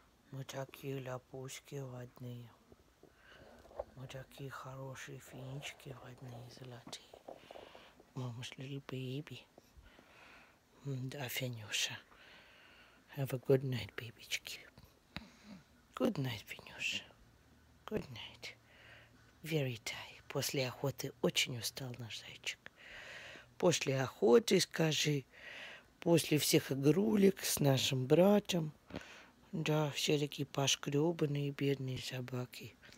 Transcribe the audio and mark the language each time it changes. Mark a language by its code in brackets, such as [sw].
[ru] Мы такие ляпушки водные. Мы такие хорошие финички водные, золотые. [en] Мама's little baby. [ru] Да, Финюша. [en] Have a good night, бебечки. Good night, Финюша. Good night. Very tired. [ru] После охоты очень устал наш зайчик. После охоты, скажи, после всех игрулек с нашим братом. Да, все такие пошкрёбанные бедные собаки.